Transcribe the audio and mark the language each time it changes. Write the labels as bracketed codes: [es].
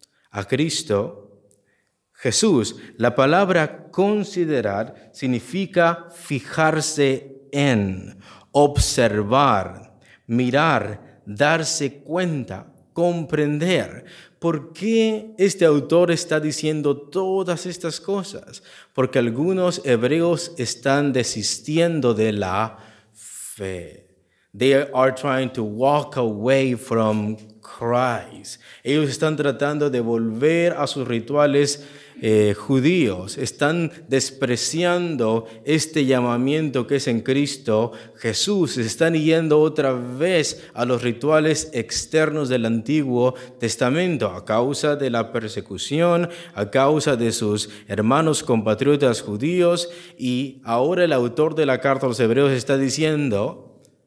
[es] A Cristo Jesús. La palabra considerar significa fijarse en, observar, mirar, darse cuenta, comprender. ¿Por qué este autor está diciendo todas estas cosas? Porque algunos hebreos están desistiendo de la fe. [en] They are trying to walk away from Christ. [es] Ellos están tratando de volver a sus rituales judíos, están despreciando este llamamiento que es en Cristo Jesús, están yendo otra vez a los rituales externos del Antiguo Testamento a causa de la persecución, a causa de sus hermanos compatriotas judíos, y ahora el autor de la Carta a los Hebreos está diciendo,